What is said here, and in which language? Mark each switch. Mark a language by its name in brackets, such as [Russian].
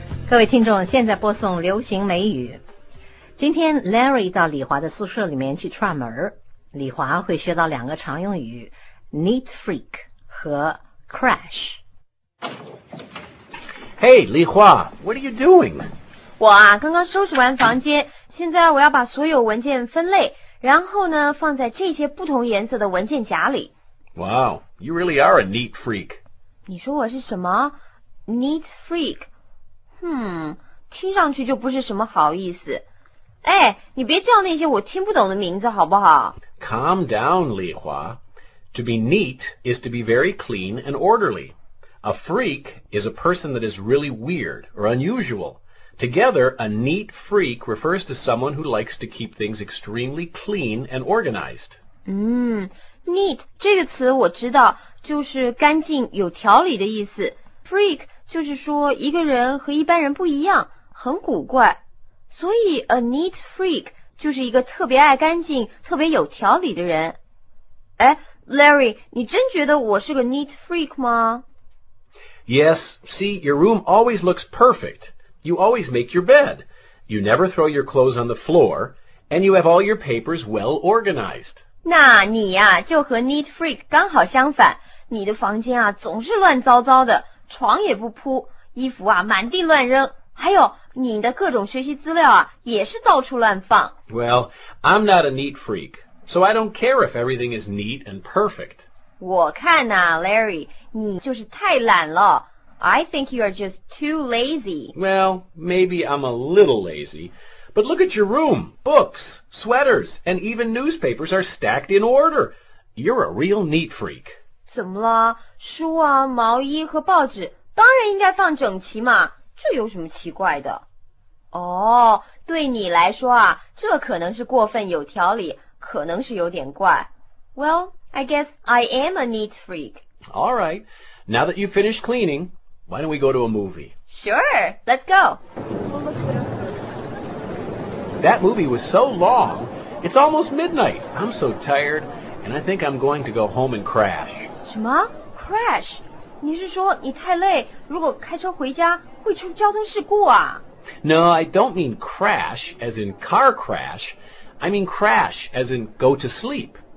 [Chinese] 各位听众，现在播送流行美语。今天 Larry 到李华的宿舍里面去串门，李华会学到两个常用语 Neat Freak 和 Crash。 [English] Hey 李华， What are you doing? [Chinese] 我啊，刚刚收拾完房间，现在我要把所有文件分类，然后呢放在这些不同颜色的文件夹里。 [English] Wow, you really are a neat freak. [Chinese] 你说我是什么 Neat Freak？ 听上去就不是什么好意思。哎，你别叫那些我听不懂的名字好不好？ [English] Calm down, 李华。 To be neat is to be very clean and orderly. A freak is a person that is really weird or unusual. Together, a neat freak refers to someone who likes to keep things extremely clean and organized. [Chinese] Neat 这个词我知道，就是干净有条理的意思。 Freak 就是说一个人和一般人不一样，很古怪，所以 a neat freak 就是一个特别爱干净、特别有条理的人。哎 ，Larry， 你真觉得我是个 neat freak 吗 [English] ？Yes. See, your room always looks perfect. You always make your bed. You never throw your clothes on the floor, and you have all your papers well organized. [Chinese] 那你呀，就和 neat freak 刚好相反，你的房间啊总是乱糟糟的。床也不铺，衣服啊满地乱扔，还有你的各种学习资料啊也是到处乱放。 [English] Well, I'm not a neat freak, so I don't care if everything is neat and perfect. [Chinese] 我看呐 ，Larry， 你就是太懒了。 [English] I think you are just too lazy. Well, maybe I'm a little lazy, but look at your room. Books, sweaters, and even newspapers are stacked in order. You're a real neat freak. [Chinese] 怎么了？书啊，毛衣和报纸当然应该放整齐嘛，这有什么奇怪的？哦，对你来说啊，这可能是过分有条理，可能是有点怪。 [English] Well, I guess I am a neat freak. All right, now that you've finished cleaning, why don't we go to a movie? Sure, let's go. That movie was so long, it's almost midnight. I'm so tired, and I think I'm going to go home and crash. [Chinese] 什么 ？Crash？你是说你太累，如果开车回家会出交通事故啊 [English] ？No, I don't mean crash as in car crash. I mean crash as in go to sleep.